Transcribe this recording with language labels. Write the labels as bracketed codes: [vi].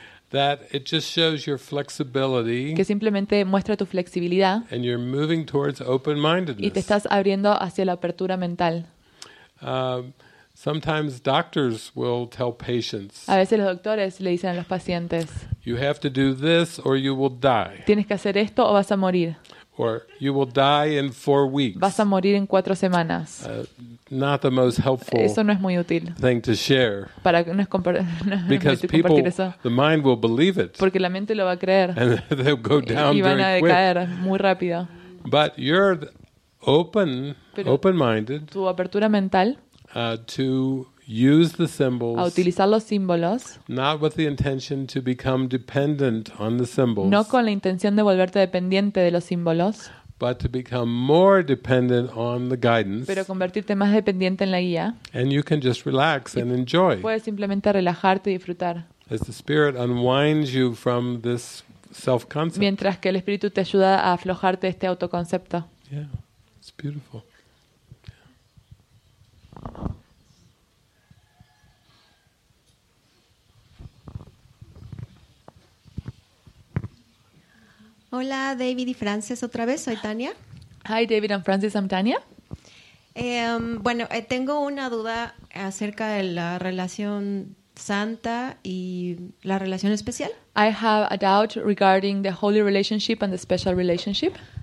[en] That it just shows your flexibility. [es] Que simplemente muestra tu flexibilidad. [en] And you're moving towards open-mindedness. [es] Y te estás abriendo hacia la apertura mental. [en] Sometimes doctors will tell patients. [es] A veces los doctores le dicen a los pacientes. [en] You have to do this or you will die. [es] Tienes que hacer esto o vas a morir. [en] Or you will die in 4 weeks. [es] Vas a morir en 4 semanas. [en] Not the most helpful. [es] Eso no es muy útil. [en] Thing to share. [es] Para que no es compartir. [en] Because people, the mind will believe it. [es] Porque la mente lo va a creer. [en] And they'll go down very quick. [es] Y van a decaer muy rápido. [en] But you're open, pero open-minded. [es] Tu apertura mental. [en] To use the symbols. [es] A utilizar los símbolos. [en] Not with the intention to become dependent on the symbols. [es] No con la intención de volverte dependiente de los símbolos. [en] But to become more dependent on the guidance. [es] Pero convertirte más dependiente en la guía. [en] And you can just relax and enjoy. [es] Puedes simplemente relajarte y disfrutar. [en] As the spirit unwinds you from this self-concept. [es] Mientras que el espíritu te ayuda a aflojarte este autoconcepto. [en] Yeah, it's beautiful. [es] Hola, David y Frances, otra vez, soy Tania. [en] Hi, David and Frances, I'm Tania. [es] Bueno, tengo una duda acerca de la relación santa y la relación especial. [en] I have a doubt regarding the holy relationship and the special relationship.